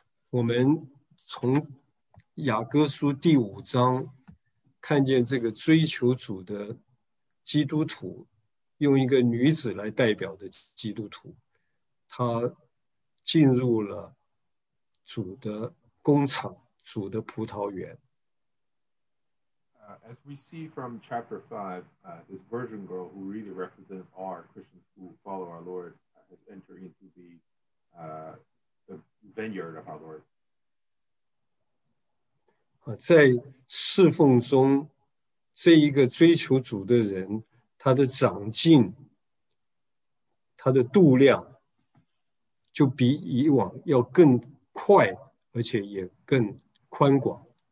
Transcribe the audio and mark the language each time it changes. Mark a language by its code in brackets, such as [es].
[zh] 我们从雅各书第五章看见这个追求主的基督徒，用一个女子来代表的基督徒，她进入了主的工厂，主的葡萄园。 [en] As we see from chapter 5, this virgin girl who really represents our Christians who follow our Lord has entered into the vineyard of our Lord. [zh] 在侍奉中，这一个追求主的人，他的长进，他的度量，就比以往要更快，而且也更宽广。